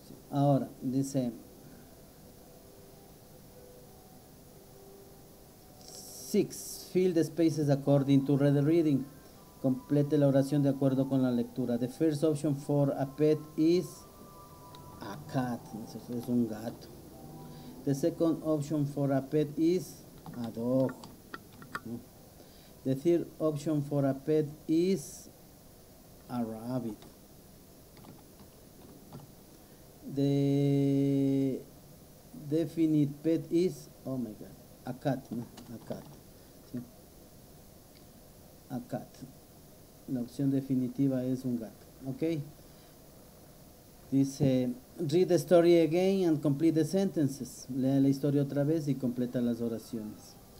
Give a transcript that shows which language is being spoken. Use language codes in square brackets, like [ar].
[es] Ahora, dice, [en] six, fill the spaces according to red reading. [es] Complete la oración de acuerdo con la lectura. [en] The first option for a pet is a cat. [es] Es un gato. [en] The second option for a pet is a dog. The third option for a pet is a rabbit. The definite pet is, oh my God, a cat, ¿no? A cat, ¿sí? A cat. [es] La opción definitiva es un gato, ¿ok? [en] Dice, read the story again and complete the sentences. [es] Lea la historia otra vez y completa las oraciones.